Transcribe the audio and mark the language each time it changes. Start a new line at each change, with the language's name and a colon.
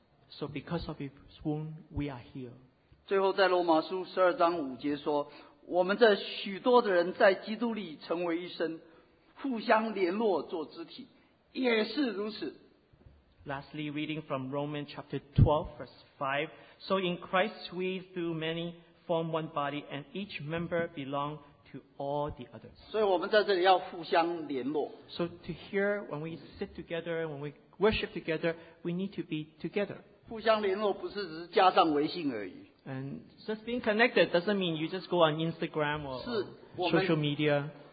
English: So because of his wound, we are healed.
Chinese: 最后在罗马书12章5节说, 我们这许多的人在基督里成为一身, 互相联络做肢体, 也是如此。
English: Lastly, reading from Romans chapter 12, verse 5, so in Christ we through many form one body, and each member belong to all the others.
Chinese: 所以我们在这里要互相联络。
English: So to hear, when we sit together, when we worship together, we need to be together.
Chinese: 互相联络不是只是加上微信而已。
English: And just being connected doesn't mean you just go on Instagram or social media.